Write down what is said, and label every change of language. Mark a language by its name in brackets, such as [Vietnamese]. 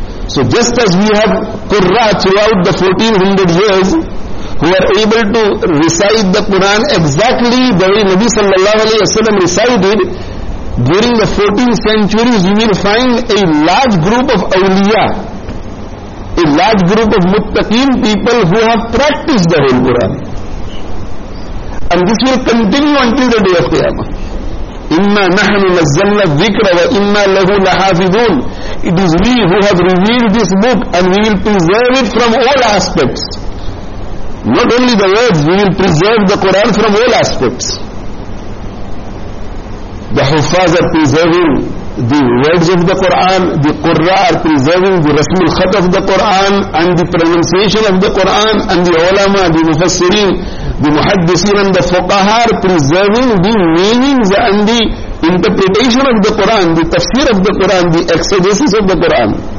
[English] So just as we have qurra throughout the 1400 years who are able to recite the Quran exactly the way Nabi sallallahu alayhi wa sallam recited, during the 14 centuries you will find a large group of awliya, a large group of muttaqeen people who have practiced the whole Quran. And this will continue until the day of Qiyamah. [Arabic] انا نحن نزلنا الذكر وانا له لحافظون. [English] It is we who have revealed this book and we will preserve it from all aspects. Not only the words, we will preserve the Quran from all aspects. The Huffaz are preserving the words of the Quran, the Qurra are preserving the Rasmul Khat of the Quran and the pronunciation of the Quran, and the Ulama, the Mufassirin, the Muhaddisin and the Fuqaha are preserving the meanings and the interpretation of the Quran, the tafsir of the Quran, the exegesis of the Quran.